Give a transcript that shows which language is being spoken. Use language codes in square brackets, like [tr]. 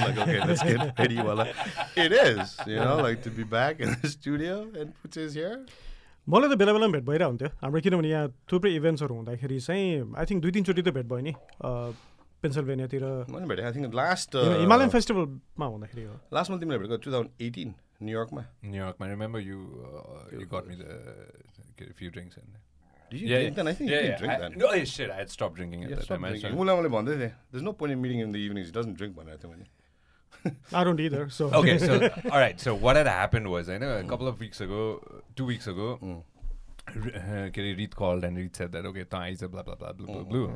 [en] Like, okay, let's get ready. Well, it is, you know, like to be back in the studio and put this here. [ne] मैले त बेला बेलामा भेट भइरहेको हुन्थ्यो हाम्रो, किनभने यहाँ थुप्रै इभेन्ट्सहरू हुँदाखेरि चाहिँ [en] I think [ne] 2-3 चोटि त भेट भयो नि पेन्सिल्भेनियातिर. मैले भेटेँ [en] I think last [ne] हिमालयन फेस्टिभलमा हुँदाखेरि हो. [en] last month [ne] तिमीले भेटेको 2018 न्युयोर्कमा. [en] न्युयोर्कमा remember you you got me the few drinks and Did you drink then? I think you didn't drink then. No, shit, I had stopped drinking at that time. There's no point in meeting him in the evenings. He doesn't drink one, I think. I don't either. So. Okay, so, all right. So what had happened was, I know a couple of weeks ago, 2 weeks ago, Reed called and Reed said that, okay, Thais, blah, blah, blah, blah, blah, blah.